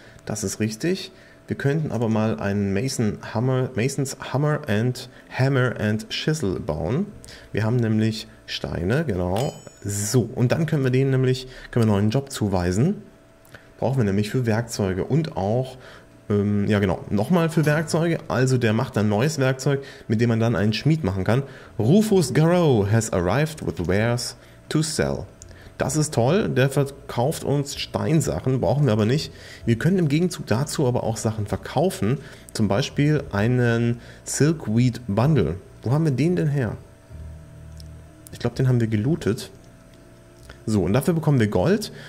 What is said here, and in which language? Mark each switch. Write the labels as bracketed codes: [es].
[de] Das ist richtig. Wir könnten aber mal einen Mason's Hammer and Chisel bauen. Wir haben nämlich Steine, genau. So, und dann können wir denen nämlich einen neuen Job zuweisen. Brauchen wir nämlich für Werkzeuge und auch... Ja genau, nochmal für Werkzeuge. Also der macht ein neues Werkzeug, mit dem man dann einen Schmied machen kann. [en] Rufus Garrow has arrived with wares to sell. [de] Das ist toll, der verkauft uns Steinsachen, brauchen wir aber nicht. Wir können im Gegenzug dazu aber auch Sachen verkaufen. Zum Beispiel einen Silkweed Bundle. Wo haben wir den denn her? Ich glaube, den haben wir gelootet. So, und dafür bekommen wir Gold.